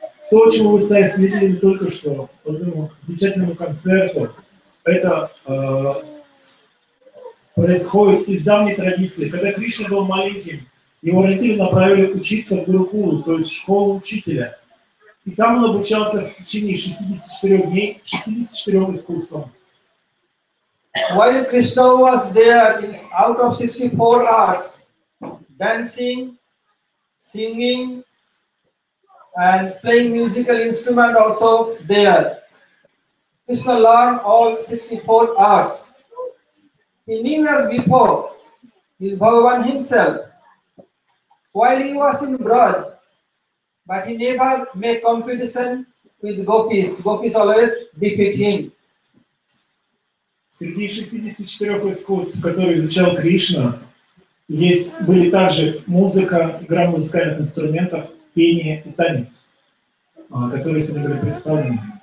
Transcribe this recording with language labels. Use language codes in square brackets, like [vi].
[ru] То, чего вы стали свидетелем только что, по этому замечательному концерту, это происходит из давней традиции. Когда Кришна был маленьким, его родители направили учиться в Гурукулу, то есть в школу учителя. И там он обучался в течение 64 дней 64 искусствам. [en] While Krishna was there, out of 64 hours, dancing, singing, and playing musical instrument also there, Krishna learned all 64 arts. He knew as before, his Bhagavan himself, while he was in Braj, but he never made competition with gopis. Gopis always defeat him. [ru] Среди 64 искусств, которые изучал Кришна, были также музыка, игра музыкальных инструментов, пение и танец, которые сегодня были представлены.